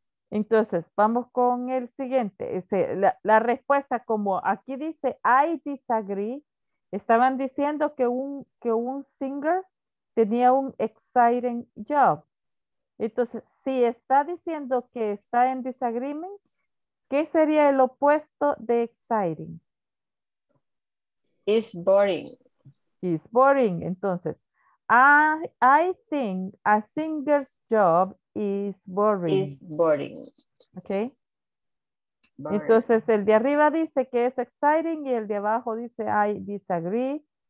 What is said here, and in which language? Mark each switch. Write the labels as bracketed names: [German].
[Spanish] Entonces, vamos con el siguiente. La respuesta, como aquí dice, [English] I disagree, [Spanish] estaban diciendo que un singer tenía un exciting job. Entonces, si está diciendo que está en disagreement, ¿qué sería el opuesto de exciting? [English] It's boring. It's boring. Entonces, I think a singer's job is boring. Is boring. Okay. Boring. [Spanish] Entonces, el de arriba dice que es exciting y el de abajo dice [English] I disagree.